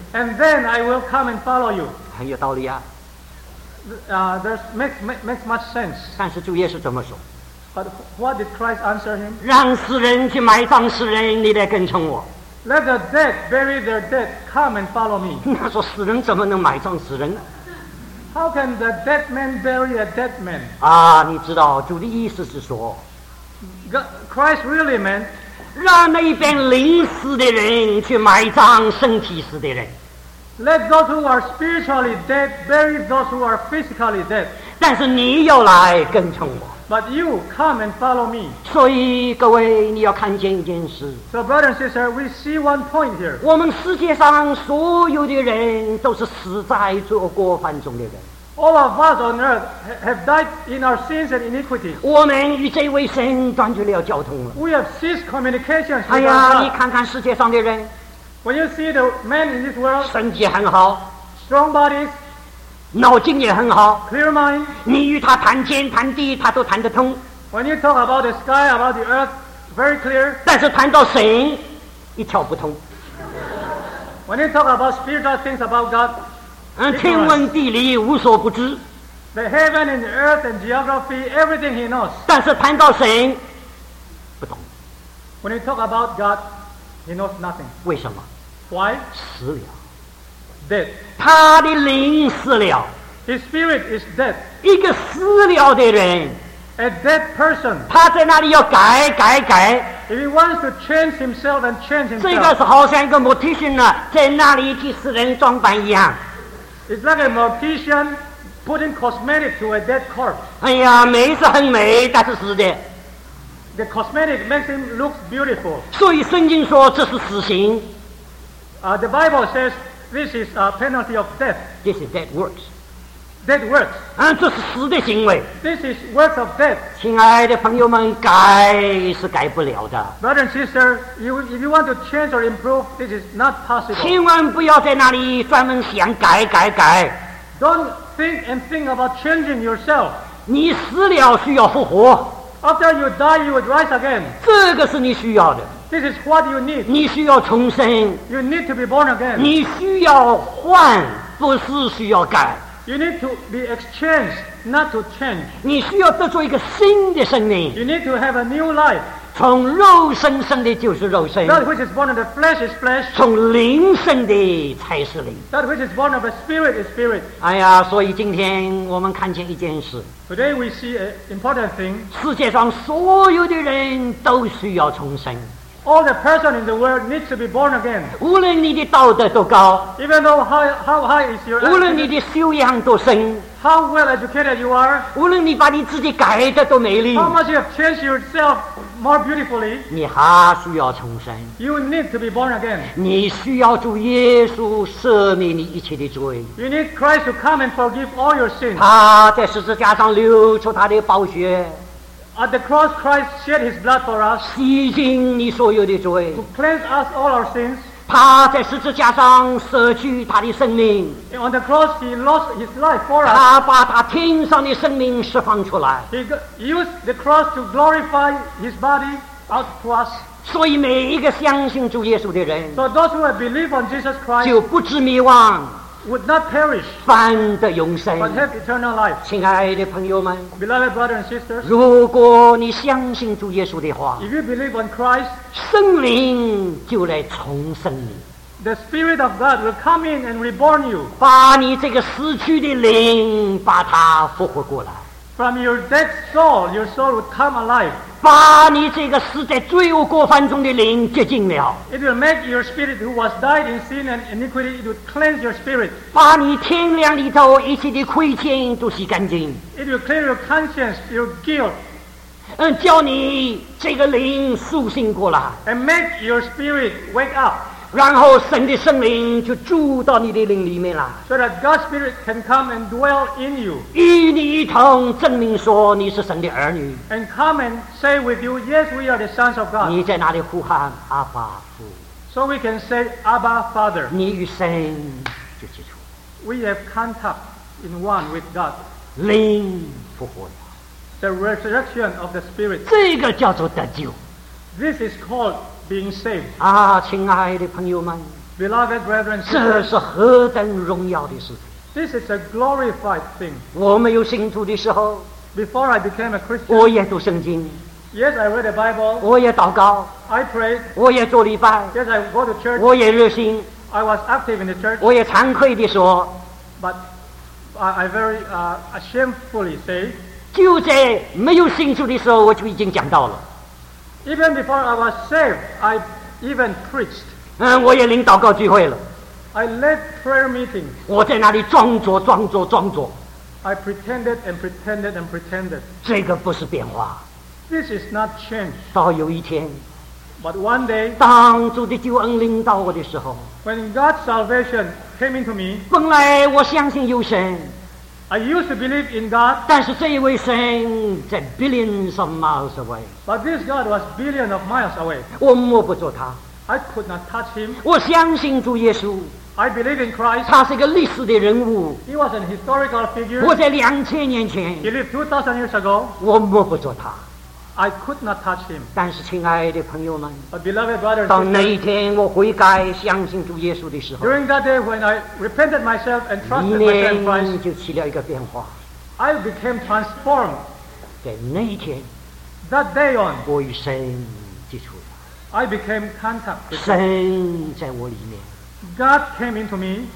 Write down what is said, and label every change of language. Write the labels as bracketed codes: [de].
[en] And then I will come and follow you. [zh] 很有道理啊。 [en] There's makes much sense. [zh] 但是主耶稣怎么说？ [en] But what did Christ answer him? [zh] 让死人去埋葬死人，你来跟从我。 [en] Let the dead bury their dead. Come and follow me. [zh] 那说死人怎么能埋葬死人呢？ [en] How can the dead man bury a dead man? [zh] 啊，你知道主的意思是说。 [en] Christ really meant [zh] 让那边灵死的人去埋葬身体死的人。 [en] Let those who are spiritually dead bury those who are physically dead. [zh] 但是你要来跟从我。 [en] But you come and follow me. [zh] 所以各位，你要看见一件事。 [en] So brother and sister, we see one point here. [zh] 我们世界上所有的人都是死在罪过犯中的人。 [en] All of us on earth have died in our sins and iniquities. [zh] 我们与这位神断绝了交通了。 [en] We have ceased communication with [zh] God. 哎呀，你看看世界上的人。 [en] When you see the men in this world, [zh] 身体很好。 [en] Strong bodies. [zh] 脑筋也很好 [en] clear mind. [zh] 你与他谈天谈地他都谈得通 [en] When you talk about the sky, about the earth, very clear. [zh] 但是谈到神一窍不通 [en] When you talk about spiritual things about God, [zh] 天文地理无所不知 [en] The heaven and the earth and geography, everything he knows. [zh] 但是谈到神不懂 [en] When you talk about God, he knows nothing. [zh] 为什么 [en] Why? [zh] 死了 [en] Dead. [zh] 他的灵死了 [en] His spirit is dead. [zh] 一个死了的人 [en] A dead person. [zh] 他在那里要改改改 [en] If he wants to change himself and change himself. [zh] 这个是好像一个 mortician 啊，在那里替死人装扮一样 [en] It's like a mortician putting cosmetic to a dead corpse. [zh] 哎呀，美是很美，但是死的 [en] The cosmetic makes him look beautiful. [zh] 所以圣经说这是死刑 [en] The Bible says,This is a penalty of death. This is dead works. Dead works. [zh] 这是死的行为。 [en] This is works of death. [zh] 亲爱的朋友们，改是改不了的。 [en] Brother and sister, if you want to change or improve, this is not possible. [zh] 千万不要在那里专门想改改改。 [en] Don't think and think about changing yourself. [zh] 你死了需要复活。 [en] After you die, you would rise again. [zh] 这个是你需要的。 [en] This is what you need. [zh] 你需要重生。 [en] You need to be born again. [zh] 你需要换，不是需要改。 [en] You need to be exchanged, not to change. [zh] 你需要得出一个新的生命。 [en] You need to have a new life. [zh] 从肉身生的就是肉身。 [en] That which is born of the flesh is flesh. [zh] 从灵生的才是灵。 [en] That which is born of the spirit is spirit. [zh] 哎呀，所以今天我们看见一件事。 [en] Today we see an important thing. [zh] 世界上所有的人都需要重生。 [en] All the person in the world needs to be born again. [zh] 无论你的道德多高 [en] Even though how high is your [zh] 无论你的修养多深 [en] How well educated you are [zh] 无论你把你自己改得多美丽 [en] How much you have changed yourself more beautifully [zh] 你还需要重生 [en] You need to be born again [zh] 你需要主耶稣赦免你一切的罪 [en] You need Christ to come and forgive all your sins [zh] 他在十字架上流出他的宝血 [en] At the cross, Christ shed his blood for us. [zh] 洗净你所有的罪。 [en] To cleanse us all our sins. [zh] 他在十字架上舍去他的生命。 [en] On the cross, he lost his life for us. [zh] 他把他天上的生命释放出来。 [en] He used the cross to glorify his body out to us. [zh] 所以每一个相信主耶稣的人。 [en] So those who believe on Jesus Christ. [zh] 就不至迷惘。 [en] Would not perish, [zh] 反得永生 [en] but have eternal life. [zh] 亲爱的朋友们 [en] Beloved brothers and sisters, [zh] 如果你相信主耶稣的话 [en] If you believe on Christ, [zh] 圣灵就来重生你 [en] The Spirit of God will come in and reborn you. [zh] 把你这个死去的灵把它复活过来 [en] From your dead soul, your soul will come alive. [zh] 把你这个死在罪恶过犯中的灵洁净了 [en] It will make your spirit who was died in sin and iniquity It will cleanse your spirit [zh] 把你天良里头一切的亏欠都洗干净 [en] It will clear your conscience, your guilt [zh] 叫你这个灵苏醒过来 [en] And make your spirit wake up [zh] 然后神的圣灵就住到你的灵里面了 [en] So that God's spirit can come and dwell in you [zh] 与你一同证明说你是神的儿女 [en] And come and say with you, yes, we are the sons of God [zh] 你在哪里呼喊阿爸父 [en] So we can say, Abba, Father [zh] 你与神就接触 [en] We have contact in one with God [zh] 灵复活了 [en] The resurrection of the spirit [zh] 这个叫做得救 [en] This is called being saved [zh] 啊亲爱的朋友们 [en] beloved brethren [zh] 这是何等荣耀的事 [en] this is a glorified thing [zh] 我没有信徒的时候 [en] before I became a Christian [zh] 我也读圣经 [en] yes I read the Bible [zh] 我也祷告 [en] I prayed [zh] 我也做礼拜 [en] yes I go to church [zh] 我也热心 [en] I was active in the church [zh] 我也惭愧地说 [en] but I very shamefully say [zh] 就在没有信徒的时候我就已经讲到了 [en] Even before I was saved, I even preached. [zh] 我也领祷告聚会了。 [en] I led prayer meetings. [zh] 我在那里装作。 [en] I pretended and pretended and pretended. [zh] 这个不是变化。 [en] This is not change. [zh] 到有一天。 [en] But one day, [zh] 当主的救恩临到我的时候。 [en] When God's salvation came into me, [zh] 本来我相信有神。 [en] I used to believe in God. [zh] 但是这一位神在 [en] billions of miles away. But this God was billions of miles away. [zh] 我摸不着他。 [en] I could not touch him. [zh] 我相信主耶稣。 [en] I believe in Christ. [zh] 他是一个历史的人物。 [en] He was an historical figure. [zh] 我在2000年前。 [en] He lived 2,000 years ago. [zh] 我摸不着他。 [en] I could not touch him. [zh] 但是亲爱的朋友们。 [en] But beloved brothers, [zh] 当那一天我悔改相信主耶稣的时候。 [en] During that day when I repented myself and trusted myself in Christ. [zh] 一年就起了一个变化。 [en] I became transformed. [zh] 在那一天。 [en] That day on. [zh] 我与神接触了。 [en] I became contact. [zh] 神在我里面。 [en] God came into me.